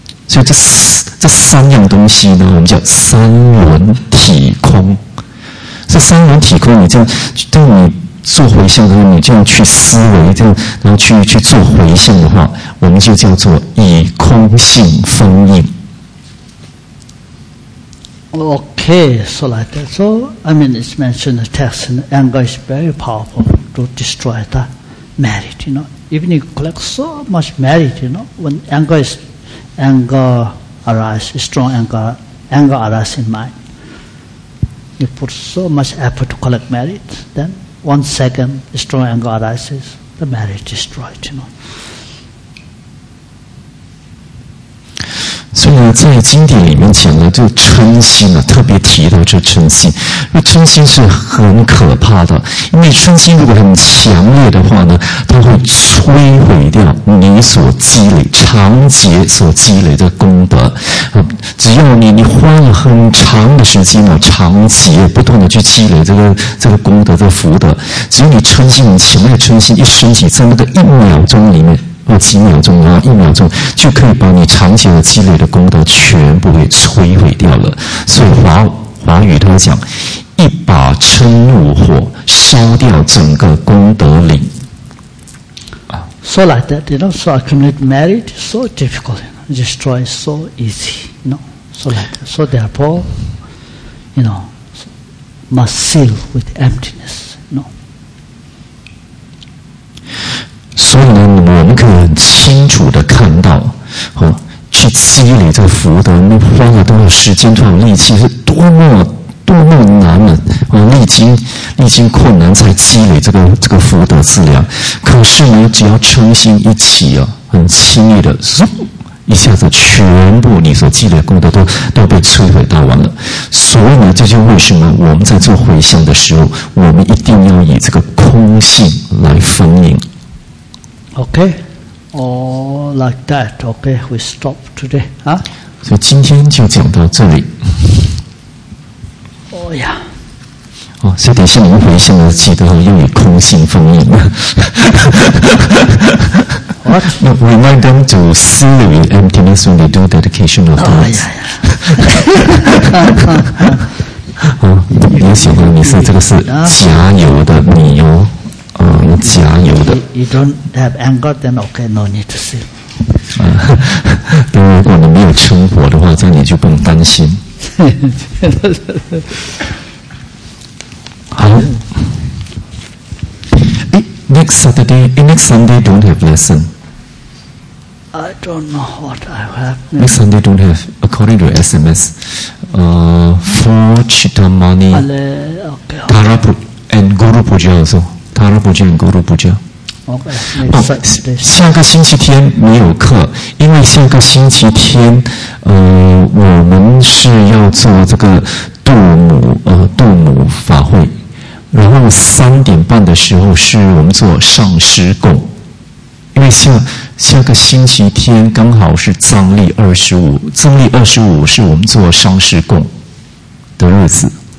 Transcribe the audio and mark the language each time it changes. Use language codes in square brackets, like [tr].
[zh] 所以这三样东西呢，我们叫三轮体空。这三轮体空，你这样，对你做回向的时候，你这样去思维，这样然后去做回向的话，我们就叫做以空性封印。 [en] Okay, so like that. So, I mean, it's mentioned in the text, and anger is very powerful to destroy the merit, you know. Even you collect so much merit, you know, when anger arises in mind, you put so much effort to collect merit, then 1 second, strong anger arises, the merit is destroyed, you know. [zh] 所以呢，在经典里面讲的这个嗔心啊，特别提到这嗔心，那嗔心是很可怕的，因为嗔心如果很强烈的话呢，它会摧毁掉你所积累长劫所积累的功德啊。只要你花了很长的时间啊，长劫不断的去积累这个功德的福德，只要你嗔心很强烈，嗔心一升起，在那个一秒钟里面。几秒钟啊，一秒钟就可以把你长久的积累的功德全部给摧毁掉了。所以华语他讲，一把嗔怒火烧掉整个功德林。 [en] So like that, you know, so accumulate merit so difficult, you know, destroy so easy, you know. So like that. So therefore, you know, must seal with emptiness, you know. [zh] 所以呢，我们可以很清楚地看到，去积累这个福德，你花了多少时间、多少力气，是多么难的，历经困难才积累这个福德资粮。可是呢，只要诚心一起啊，很轻易的，一下子全部你所积累的功德都被摧毁到完了。所以呢，这就为什么我们在做回向的时候，我们一定要以这个空性来封印。 [en] Okay, all like that. Okay, we stop today. Huh? [zh] So, 今天就讲到这里。 [en] Oh yeah. [zh] Oh, 所以等一下你们回向的记得要以空性封印。 [en] What? No, remind them to seal it with emptiness when they do dedication of thoughts. Oh yeah, yeah. [zh] 哦，你喜欢你是这个是加油的你哦。加油的 [en] you don't have anger, then okay, no need to seal. [zh] 但如果你没有嗔火的话，这样你就不用担心。好。 [en] Next Sunday don't have lesson. I don't know what I have. Next Sunday don't have, according to SMS, for Chitamani, Tarapu, and Guru Puja also. Tara Puja and Guru Puja. Okay. [zh] 下个星期天没有课，因为下个星期天，我们是要做这个杜母法会，然后3:30的时候是我们做上师供，因为下个星期天刚好是藏历25是我们做上师供的日子。